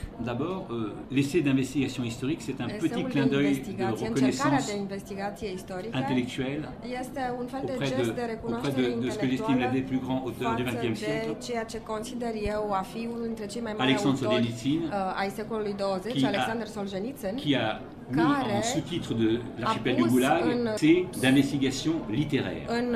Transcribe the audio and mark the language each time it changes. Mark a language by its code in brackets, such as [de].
[fr] D'abord, l'essai d'investigation historique, c'est un petit clin d'œil de reconnaissance intellectuelle auprès de ce que j'estime l'un des plus grands auteurs du XXe siècle, [ro] ceea ce consider eu a fi unul dintre cei mai mari [fr] Alexandre Solzhenitsyn, qui a mis en sous-titre de l'archipel du Goulag, c'est d'investigation littéraire.